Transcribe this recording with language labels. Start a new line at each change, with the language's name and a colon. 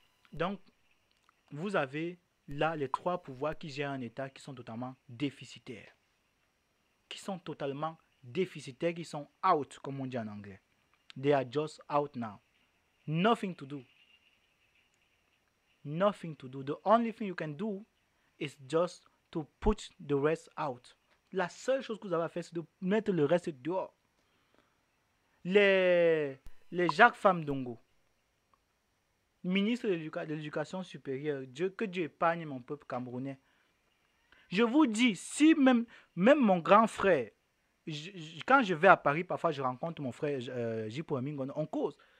French: Donc, vous avez là les trois pouvoirs qui gèrent un État qui sont totalement déficitaires. Qui sont totalement déficitaires, qui sont out, comme on dit en anglais.
English: They are just out now. Nothing to do. Nothing to do. The only thing you can do is just to put the rest out.
French: La seule chose que vous avez à faire, c'est de mettre le reste dehors. Les Jacques Famdongo, ministre de l'éducation supérieure, que Dieu épargne mon peuple camerounais. Je vous dis, si même mon grand frère, quand je vais à Paris, parfois je rencontre mon frère J.P. Mingon, on cause.